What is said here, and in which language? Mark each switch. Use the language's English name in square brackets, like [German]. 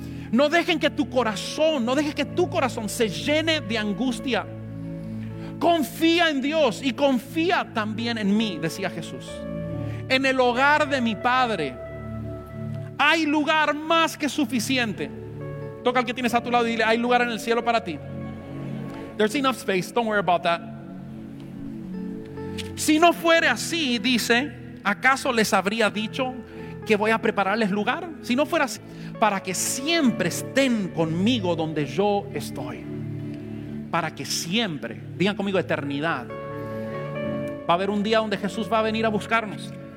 [Spanish] No dejen que tu corazón, no dejes que tu corazón se llene de angustia. Confía en Dios y confía también en mí, decía Jesús. En el hogar de mi Padre hay lugar más que suficiente. Toca al que tienes a tu lado y dile, hay lugar en el cielo para ti. [English] There's enough space, don't worry about that. [Spanish] Si no fuere así, dice, ¿acaso les habría dicho que voy a prepararles lugar? Si no fuera así, para que siempre estén conmigo donde yo estoy. para que siempre, digan conmigo, eternidad. Va a haber un día donde Jesús va a venir a buscarnos.